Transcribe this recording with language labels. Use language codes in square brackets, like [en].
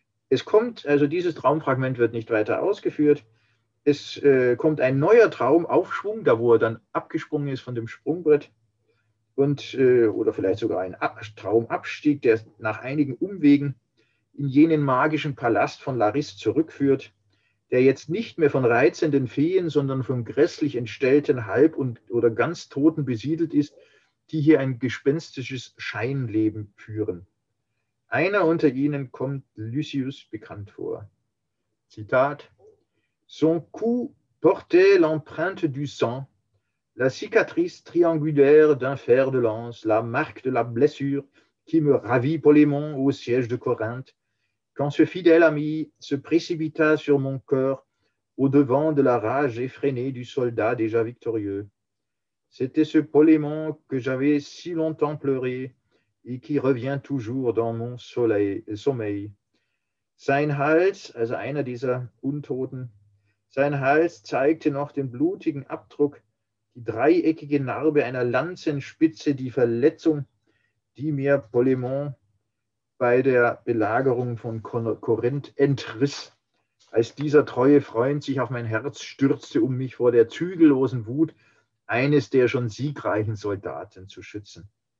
[de] Es kommt, also dieses Traumfragment wird nicht weiter ausgeführt. Es kommt ein neuer Traumaufschwung, da wo er dann abgesprungen ist von dem Sprungbrett oder vielleicht sogar ein Traumabstieg, der nach einigen Umwegen in jenen magischen Palast von Laris zurückführt, der jetzt nicht mehr von reizenden Feen, sondern von grässlich entstellten Halb- und oder ganz Toten besiedelt ist, die hier ein gespenstisches Scheinleben führen. Einer unter ihnen kommt Lysius bekannt vor. [fr] Zitat: Son cou portait l'empreinte du sang, la cicatrice triangulaire d'un fer de lance, la marque de la blessure qui me ravit Polémon au siège de Corinthe. Quand ce fidèle ami se précipita sur mon cœur au devant de la rage effrénée du soldat déjà victorieux. C'était ce Polémon que j'avais si longtemps pleuré et qui revient toujours dans mon sommeil. [de] Sein Hals, also einer dieser Untoten, sein Hals zeigte noch den blutigen Abdruck, die dreieckige Narbe einer Lanzenspitze, die Verletzung, die mir Polémon bei der Belagerung von Korinth entriss, als dieser treue Freund sich auf mein Herz stürzte, um mich vor der zügellosen Wut eines der schon siegreichen Soldaten zu schützen.